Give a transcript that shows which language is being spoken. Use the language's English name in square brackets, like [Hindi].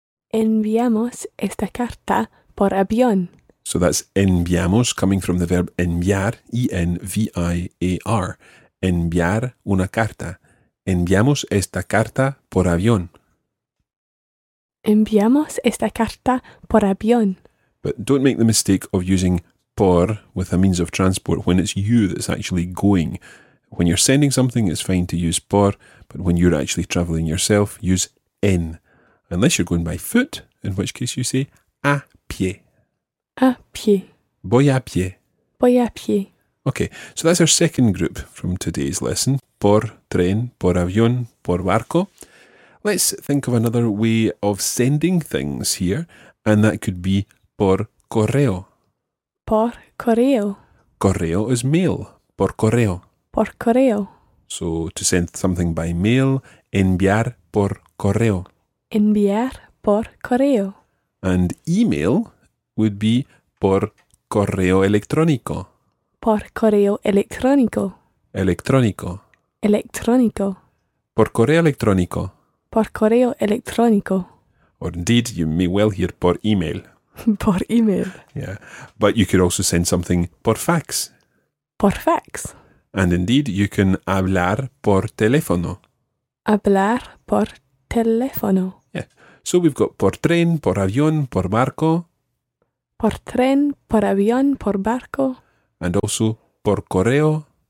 [Spanish] Enviamos esta carta por avión. [English] So that's enviamos, coming from the verb enviar, E-N-V-I-A-R. [Spanish] Enviar una carta. Enviamos esta carta por avión. Enviamos esta carta por avión. [English] But don't make the mistake of using por with a means of transport when it's you that's actually going. When you're sending something, it's fine to use por, but when you're actually travelling yourself, use en. Unless you're going by foot, in which case you say a pie. [Spanish] A pie. Voy a pie. Voy a pie. [English] Okay, so that's our second group from today's lesson. [Spanish] Por tren, por avión, por barco. [English] Let's think of another way of sending things here, and that could be [Spanish] por correo. Por correo. [English] Correo is mail. [Spanish] Por correo. Por correo. [English] So to send something by mail, [Spanish] enviar por correo. Enviar por correo. [English] And email would be [Spanish] por correo electrónico. Por correo electrónico. Electrónico. Electrónico. Por correo electrónico. Por correo electrónico. [English] Or indeed, you may well hear [Spanish] por email. Por email. [English] Yeah, but you could also send something [Spanish] por fax. Por fax. [English] And indeed, you can [Spanish] hablar por teléfono. Hablar por teléfono. [English] Yeah, so we've got [Spanish] por tren, por avión, por barco. Por tren, por avión, por barco. [English] And also [Spanish] por correo.